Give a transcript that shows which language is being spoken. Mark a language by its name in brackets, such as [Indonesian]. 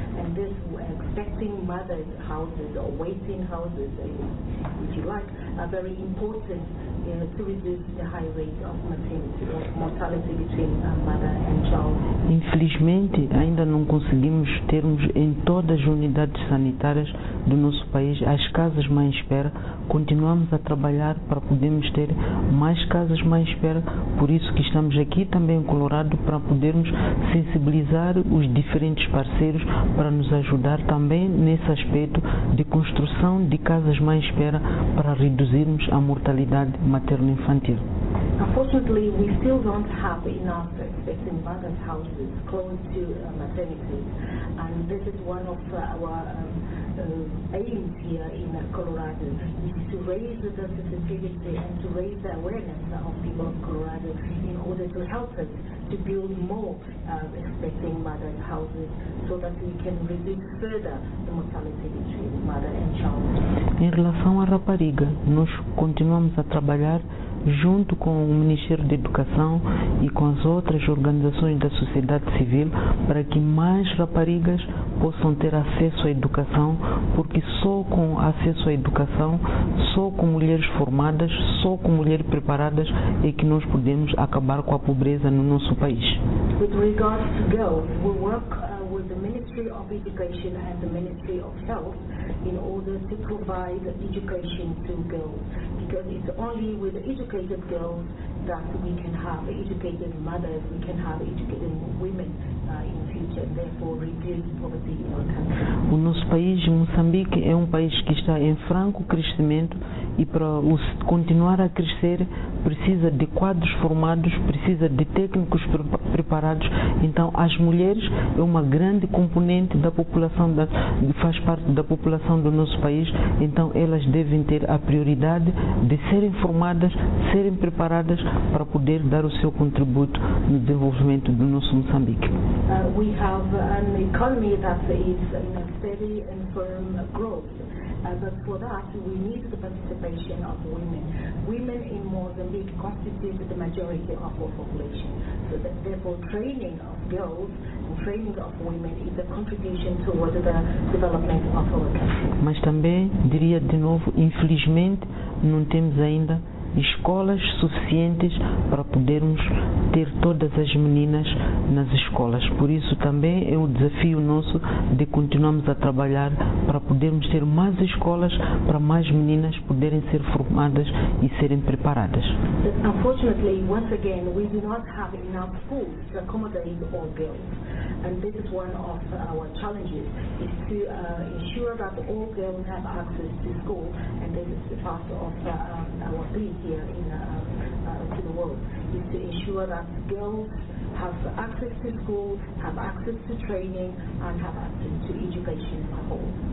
[English] And this expecting mothers' houses or waiting houses, if you like, are very important to reduce the high rate of mortality between a mother and child. [Portuguese] Infelizmente, ainda não conseguimos termos em todas as unidades sanitárias do nosso país as casas mãe espera. Continuamos a trabalhar para podermos ter mais casas mãe espera, por isso que estamos aqui também em Colorado, para podermos sensibilizar os diferentes parceiros para nos ajudar também nesse aspecto de construção de casas mãe espera, para reduzirmos a mortalidade materno-infantil. [English] Unfortunately, we still don't have enough expecting mothers' houses close to maternity. And this is one of our aims here in Colorado, is to raise the sensitivity and to raise the awareness of people of Colorado in order to help us to build more expecting mothers' houses so that we can reduce further the mortality between mother and child. [Portuguese] Em relação à rapariga, nós continuamos a trabalhar junto com o Ministério da Educação e com as outras organizações da sociedade civil para que mais raparigas possam ter acesso à educação, porque só com acesso à educação, só com mulheres formadas, só com mulheres preparadas é que nós podemos acabar com a pobreza no nosso país. [English] With regards to girls, we work with the Ministry of Education and the Ministry of Health in order to provide education to girls, because it's only with educated girls that we can have educated mothers, we can have educated women in the future, and therefore reduce poverty in our country. [Portuguese] O nosso país, Moçambique, é um país que está em franco crescimento. E para continuar a crescer, precisa de quadros formados, precisa de técnicos preparados. Então, as mulheres é uma grande componente da população, faz parte da população do nosso país. Então, elas devem ter a prioridade de serem formadas, serem preparadas para poder dar o seu contributo no desenvolvimento do nosso Moçambique. [English] We have an economy that is in a steady and firm growth, but for that, we need the participation of women. Women in Mozambique constitute the majority of our population. So that, therefore, training of girls and training of women is a contribution towards the development of our country. [Portuguese] Mas também, diria de novo, infelizmente, não temos ainda escolas suficientes para podermos ter todas as meninas nas escolas. Por isso também é o desafio nosso de continuarmos a trabalhar para podermos ter mais escolas, para mais meninas poderem ser formadas e serem preparadas. [English] Unfortunately, once again, we do not have enough food to accommodate all girls. And this is one of our challenges, is to ensure that all girls have access to school, and this is the part of our plea here to the world, is to ensure that girls have access to school, have access to training, and have access to education as a whole.